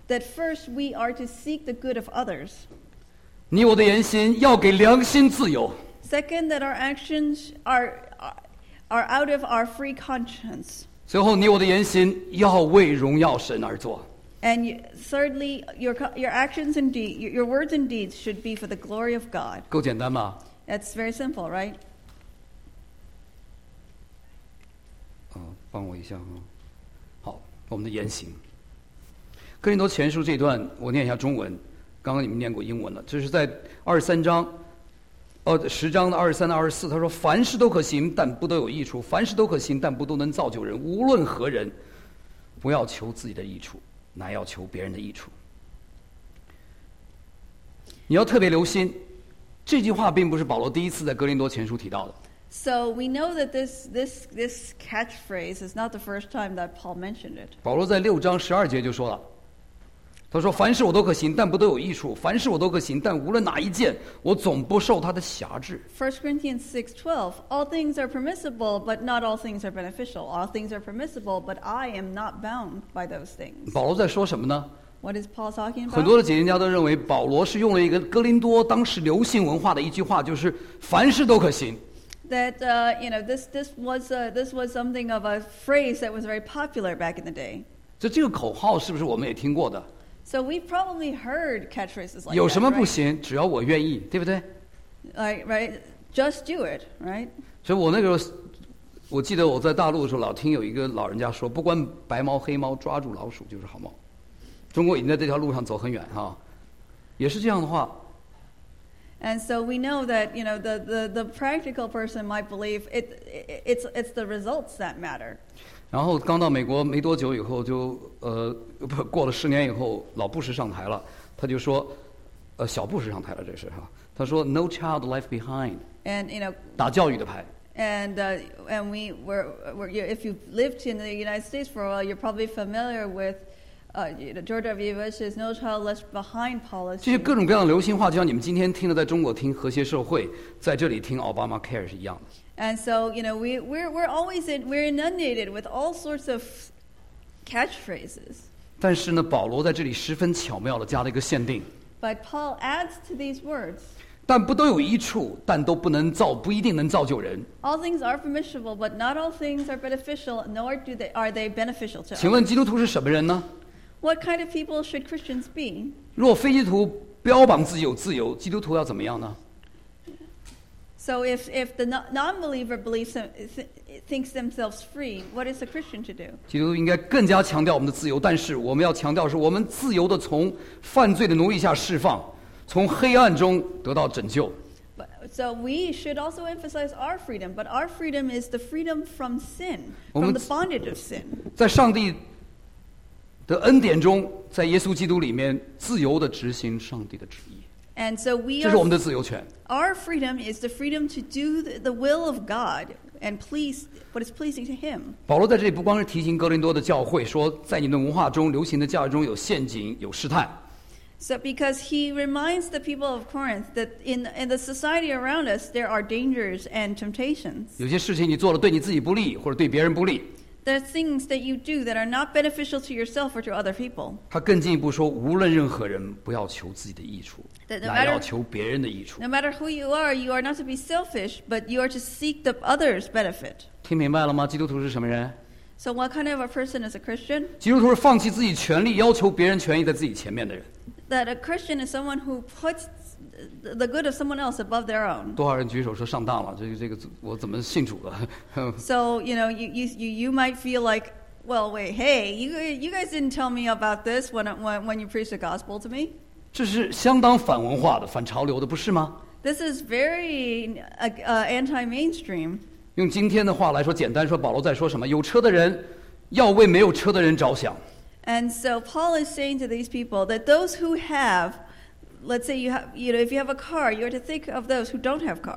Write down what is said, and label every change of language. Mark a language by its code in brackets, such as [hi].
[en] That first we are to seek the good of others. [zh] 你我的言行要给良心自由。 [en] Second, that our actions are out of our free conscience. [zh] 最后，你我的言行要为荣耀神而做。 [en] And thirdly, your actions and deeds, your words and deeds should be for the glory of God. [zh] 够简单吗？ [en] That's very simple, right? [zh] 哦，帮我一下啊。好，我们的言行。哥林多前书这段，我念一下中文。刚刚你们念过英文了，这是在二十三章。十章的二十三到二十四，他说：“凡事都可行，但不都有益处；凡事都可行，但不都能造就人。无论何人，不要求自己的益处，乃要求别人的益处。” 你要特别留心，这句话并不是保罗第一次在哥林多前书提到的。 [en] So we know that this catchphrase is not the first time that Paul mentioned it. [zh] 保罗在六章十二节就说了。他说：“凡事我都可行，但不都有益处；凡事我都可行，但无论哪一件，我总不受他的辖制。” [en] 1 Corinthians 6:12 All things are permissible, but not all things are beneficial. All things are permissible, but I am not bound by those things. [zh] 保罗在说什么呢 [en] ？What is Paul talking about？ [zh] 很多的解经家都认为保罗是用了一个哥林多当时流行文化的一句话，就是“凡事都可行”。 [en] That you know this was something of a phrase that was very popular back in the day. [zh] 这个口号是不是我们也听过的？ [en] So we've probably heard catchphrases like that. [zh] 有什么不行， [en] right? [zh] 只要我愿意，对不对？ [en] Like, right, just do it, right? [zh] 所以我那个时候，我记得我在大陆的时候，老听有一个老人家说，不管白猫黑猫，抓住老鼠就是好猫。中国已经在这条路上走很远哈，也是这样的话。 [en] And so we know that you know the practical person might believe it's the results that matter. [zh] 然后刚到美国没多久以后就过了十年以后老布什上台了他就说小布什上台了这是哈他说 [en] no child left behind and you know [zh] 打教育的牌 [en] and we were if you lived in the United States for a while you're probably familiar withGeorge W. Bush's No Child Left Behind policy. [zh] 这些各种各样的流行话，就像你们今天听的，在中国听和谐社会，在这里听 Obamacare 是一样的。 [en] And so, you know, we're inundated with all sorts of catchphrases. [zh] 但是呢，保罗在这里十分巧妙地加了一个限定。 [en] But Paul adds to these words. [zh] 但不都有益处，但都不能造，不一定能造就人。 [en] All things are permissible, but not all things are beneficial, nor are they beneficial to us. [zh] 请问基督徒是什么人呢？ [en] What kind of people should Christians be? [zh] 若非基督徒标榜自己有自由，基督徒要怎么样呢？ [en] So if the non-believer believes thinks themselves free, what is a Christian to do? [zh] 基督徒应该更加强调我们的自由，但是我们要强调是我们自由的从犯罪的奴役下释放，从黑暗中得到拯救。 [en] So we should also emphasize our freedom, but our freedom is the freedom from sin, from the bondage of sin. [zh] 在上帝的恩典中，在耶稣基督里面，自由地执行上帝的旨意。 [en] And so we are, [zh] 这是我们的自由权。 [en] Our freedom is the freedom to do the will of God and please what is pleasing to Him. [zh] 保罗在这里不光是提醒哥林多的教会说，在你的文化中流行的教育中有陷阱、有试探。 [en] So because he reminds the people of Corinth that in the society around us there are dangers and temptations. [zh] 有些事情你做了对你自己不利，或者对别人不利。 [en] There are things that you do that are not beneficial to yourself or to other people. [zh] 他更进一步说，无论任何人，不要求自己的益处，乃要求别人的益处。 [en] No matter who you are not to be selfish, but you are to seek the others' benefit. [zh] 听明白了吗？基督徒是什么人 [en] ？So what kind of a person is a Christian? [zh] 基督徒是放弃自己权利，要求别人权益在自己前面的人。 [en] That a Christian is someone who puts the good of someone else above their own. [zh] 多少人举手说上当了？这个我怎么信主了？ [en] So you know, you might feel like, Well, wait, hey, you guys didn't tell me about this when you preached the gospel to me. [zh] 这是相当反文化的、反潮流的，不是吗？ [en] This is very anti-mainstream. [zh] 用今天的话来说，简单说，保罗在说什么？有车的人要为没有车的人着想。 [en] And so Paul is saying to these people that those who have, let's say you have, you know, if you have a car, you are to think of those who don't have car.